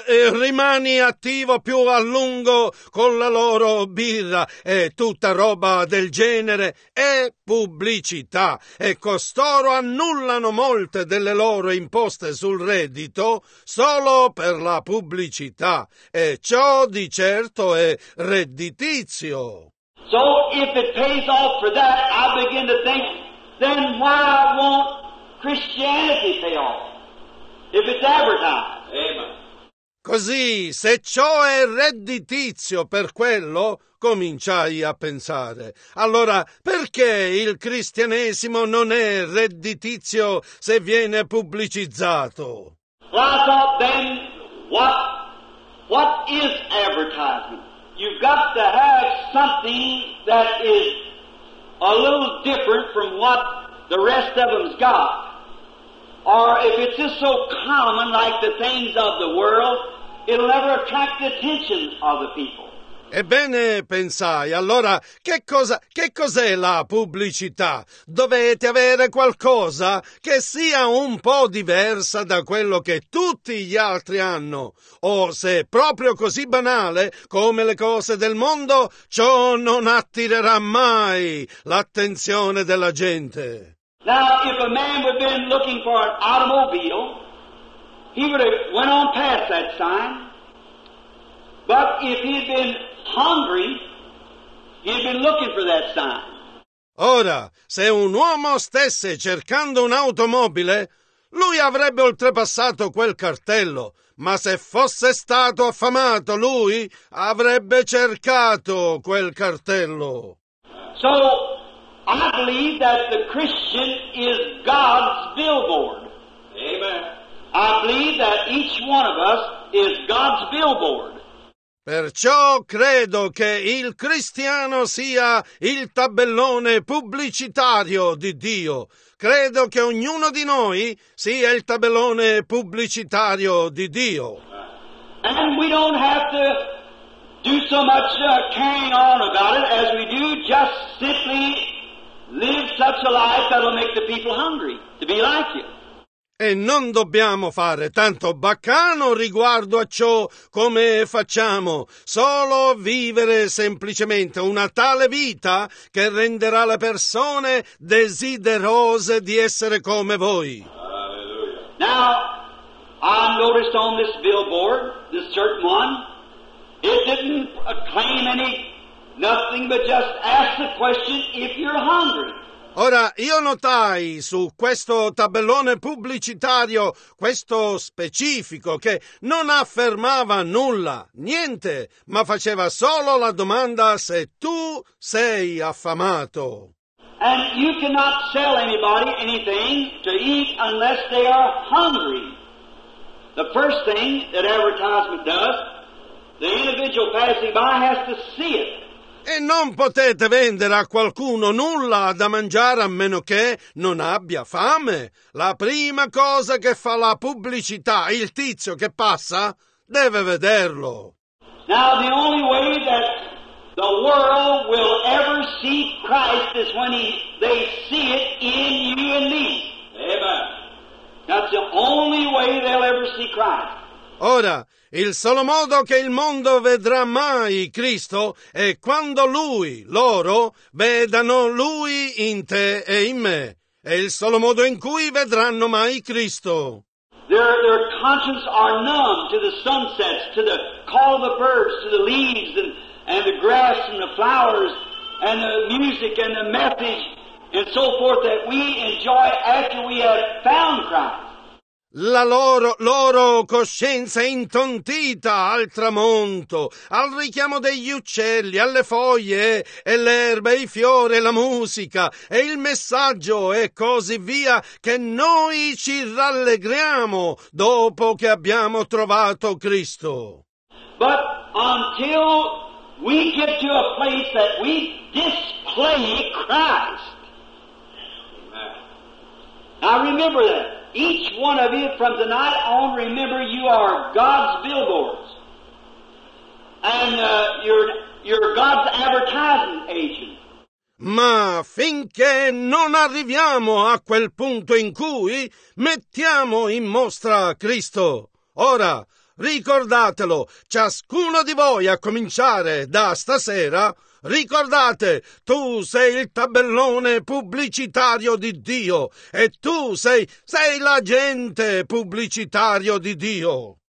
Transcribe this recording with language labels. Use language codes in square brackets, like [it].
[it] Rimani attivo più a lungo con la loro birra e tutta roba del genere è pubblicità. E costoro annullano molte delle loro imposte sul reddito solo per la pubblicità. E ciò di certo è redditizio. [en] So if it pays off for that, I begin to think, then why won't Christianity pay off? If it's advertised. [it] Così, se ciò è redditizio per quello, cominciai a pensare. Allora, perché il cristianesimo non è redditizio se viene pubblicizzato? [en] Well, I thought then, what is advertising? You've got to have something that is a little different from what the rest of them's got. Or if it's just so common like the things of the world, it'll never attract the attention of the people. [it] Ebbene, pensai, allora che cos'è la pubblicità? Dovete avere qualcosa che sia un po' diversa da quello che tutti gli altri hanno. O se è proprio così banale come le cose del mondo, ciò non attirerà mai l'attenzione della gente. [en] Now, if a man would have been looking for an automobile, he would have went on past that sign. But if he had been hungry, he had been looking for that sign. [it] Ora, se un uomo stesse cercando un'automobile, lui avrebbe oltrepassato quel cartello, ma se fosse stato affamato, lui avrebbe cercato quel cartello. [en] So, I believe that the Christian is God's billboard. Amen. I believe that each one of us is God's billboard. [it] Perciò credo che il cristiano sia il tabellone pubblicitario di Dio. Credo che ognuno di noi sia il tabellone pubblicitario di Dio. [en] And we don't have to do so much carrying on about it as we do just simply live such a life that'll make the people hungry to be like you. [it] E non dobbiamo fare tanto baccano riguardo a ciò come facciamo, solo vivere semplicemente una tale vita che renderà le persone desiderose di essere come voi. [en] Now, I noticed on this billboard, this certain one, it didn't claim any, nothing but just ask the question if you're hungry. [it] Ora, io notai su questo tabellone pubblicitario, questo specifico, che non affermava nulla, niente, ma faceva solo la domanda se tu sei affamato. [en] And you cannot sell anybody anything to eat unless they are hungry. The first thing that advertisement does, the individual passing by has to see it. [it] E non potete vendere a qualcuno nulla da mangiare a meno che non abbia fame. La prima cosa che fa la pubblicità, il tizio che passa, deve vederlo. [en] Now the only way that the world will ever see Christ is when they see it in you and me. Amen. That's the only way they'll ever see Christ. [it] Ora, il solo modo che il mondo vedrà mai Cristo è quando Lui, loro, vedano Lui in te e in me. È il solo modo in cui vedranno mai Cristo. [en] Their conscience are numb to the sunsets, to the call of the birds, to the leaves and the grass and the flowers and the music and the message and so forth that we enjoy after we have found Christ. [it] La loro coscienza è intontita al tramonto, al richiamo degli uccelli, alle foglie, e l'erba, i fiori, la musica, e il messaggio, e così via, che noi ci rallegriamo dopo che abbiamo trovato Cristo. [en] But until we get to a place that we display Christ, now remember that. Each one of you from tonight on, remember you are God's billboards. And you're God's advertising agent. [it] Ma finché non arriviamo a quel punto in cui mettiamo in mostra Cristo. Ora, ricordatelo, ciascuno di voi a cominciare da stasera, ricordate, tu sei il tabellone pubblicitario di Dio e tu sei l'agente pubblicitario di Dio.